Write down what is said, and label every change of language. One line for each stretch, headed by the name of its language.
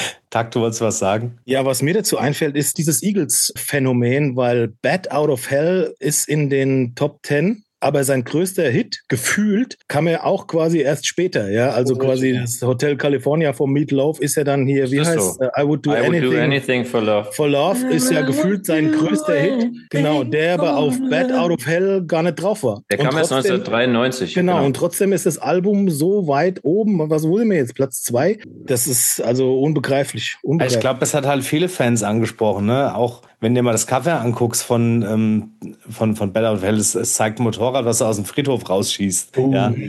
German: Tag, du wolltest was sagen? Ja, was mir dazu einfällt, ist dieses Eagles-Phänomen, weil Bad Out of Hell ist in den Top 10. Aber sein größter Hit, gefühlt, kam er auch quasi erst später. Ja, also quasi das Hotel California vom Meat Loaf ist ja dann hier, wie heißt es?
English: I would do anything for love
German: ist ja gefühlt sein größter Hit. Genau, der aber auf Bad Out of Hell gar nicht drauf war. Der kam erst 1993. Genau, und trotzdem ist das Album so weit oben. Was wurde mir jetzt? Platz 2? Das ist also unbegreiflich. Ich glaube, es hat halt viele Fans angesprochen, ne? Auch wenn du dir mal das Cover anguckst von Bad Out of Hell, es zeigt ein Motorrad, was aus dem Friedhof rausschießt. Ja.